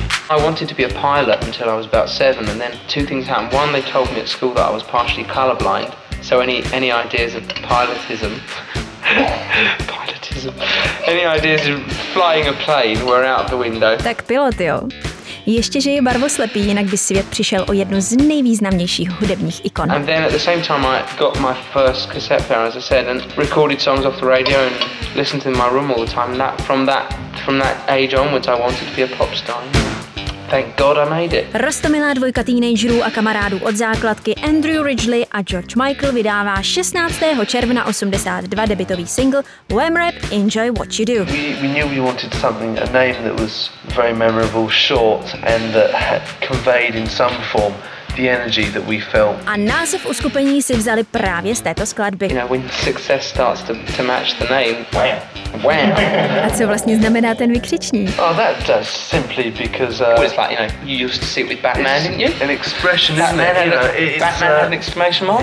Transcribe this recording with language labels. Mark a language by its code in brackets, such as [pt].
[en] I wanted to be a pilot until I was about 7, and then two things happened. One, they told me at school that I was partially colorblind, so any ideas of pilotism, pilotism, any ideas of flying a plane were out the window. [cs] Tak pilot, jo. Ještě, že je barvoslepý, jinak by svět přišel o jednu z nejvýznamnějších hudebních ikon. [en] And then at the same time I got my first cassette player, as I said, and recorded songs off the radio and listened to them in my room all the time. And from that age onwards I wanted to be a pop star. Thank God I made it. [cs] Roztomilá dvojka teenagerů a kamarádů od základky Andrew Ridgely a George Michael vydává 16. června 82 debutový single Wham Rap Enjoy What You Do. [en] We knew we wanted something, a name that was very memorable, short, and that had conveyed in some form the energy that we felt. [cs] A název uskupení si vzali právě z této skladby. [en] You know, when success starts to match the name, wham. [cs] A co vlastně znamená ten vykřičník? [en] Oh, that does simply because it's like, you know, you used to see it with Batman, it's, didn't you? An expression, Batman, isn't it? Had a, it's Batman had an exclamation mark?